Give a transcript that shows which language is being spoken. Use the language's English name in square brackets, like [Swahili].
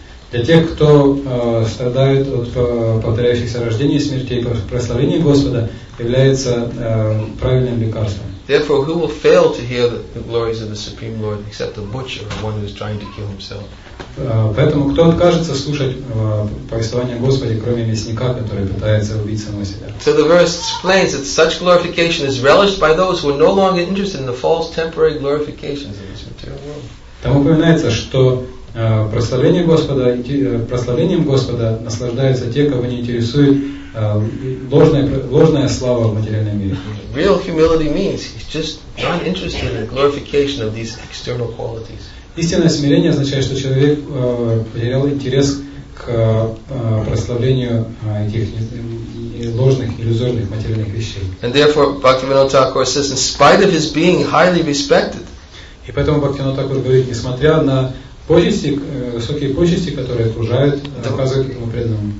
[Russian] Для тех, кто страдает от повторяющихся рождений и смерти, прославление Господа является правильным лекарством. [English] Therefore, who will fail to hear the glories of the Supreme Lord except the butcher, or one who is trying to kill himself? [Russian] Поэтому кто откажется слушать повествование Господа, кроме мясника, который пытается убить самого себя? [English] So the verse explains that such glorification is relished by those who are no longer interested in the false temporary glorifications of this material world. [Russian] Там упоминается, что Прославление Господа, прославлением Господа наслаждаются те, кого не интересует ложная слава в материальном мире. [English] Real humility means he's just not interested in the glorification of these external qualities. [Russian] Истинное смирение означает, что человек потерял интерес к прославлению этих ложных, иллюзорных материальных вещей. [English] And therefore, Bhaktivinoda Thakur says, in spite of his being highly respected. [Russian] И поэтому Бхактивинода Тхакур говорит, несмотря на почести, высокие почести, которые окружают, оказывают ему преданному.